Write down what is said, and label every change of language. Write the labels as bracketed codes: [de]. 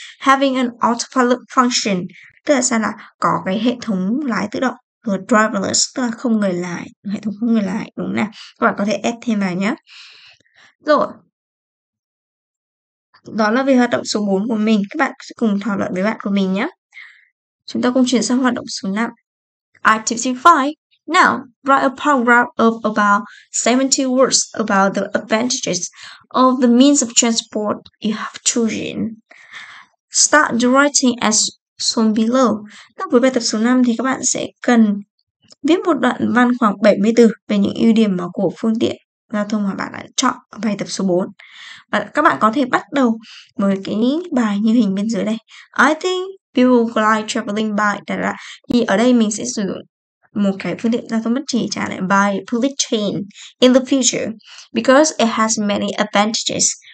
[en] Having an autopilot function, [vi] tức là sao là có cái hệ thống lái tự động, rồi driverless, tức là không người lái, hệ thống không người lái, đúng không? Các bạn có thể add thêm vào nhé. Rồi, đó là về hoạt động số 4 của mình. Các bạn sẽ cùng thảo luận với bạn của mình nhé. Chúng ta cùng chuyển sang hoạt động số 5. [en] Activity 5. Now, write a paragraph of about 70 words about the advantages of the means of transport you have chosen. Start the writing as shown below. [vi] Với bài tập số 5 thì các bạn sẽ cần viết một đoạn văn khoảng 70 từ về những ưu điểm của phương tiện giao thông mà bạn đã chọn ở bài tập số 4. Và các bạn có thể bắt đầu với cái bài như hình bên dưới đây. [en] I think people like traveling by. [vi] Thì ở đây mình sẽ sử dụng một cái phương tiện giao thông bất chỉ trả lại [en] by public train in the future because it has many advantages.